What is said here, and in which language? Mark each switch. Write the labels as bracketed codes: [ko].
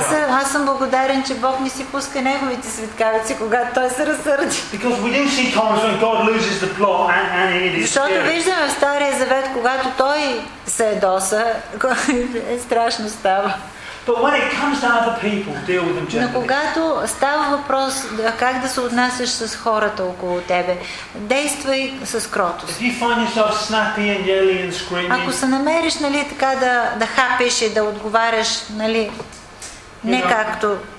[bg] Аз съм благодарен, че Бог не си пуска неговите светкавици, когато той се разсърди. [en] Because we do see times when God loses the plot and it is. [bg] Защото виждаме в Стария Завет, когато той се едоса, е страшно става. [en] But when it comes to other people, deal with them gently. [bg] Но когато става въпрос как да се отнасяш с хората около тебе, действай с кротост. [en] If you find yourself snappy and yelling and screaming, [bg] ако се намериш, нали, така да хапиш и да отговаряш, нали, не както